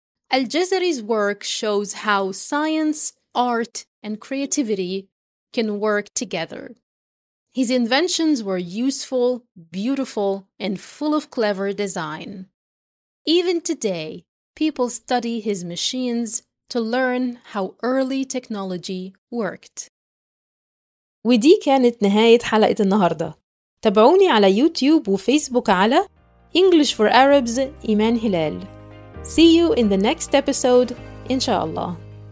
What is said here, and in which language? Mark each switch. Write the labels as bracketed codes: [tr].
[en] Al-Jazari's work shows how science, art, and creativity can work together. His inventions were useful, beautiful, and full of clever design. Even today, people study his machines to learn how early technology worked. [ar] ودي كانت نهاية حلقة النهاردة. تابعوني على يوتيوب وفيسبوك على English for Arabs إيمان هلال. [en] See you in the next episode, inshallah.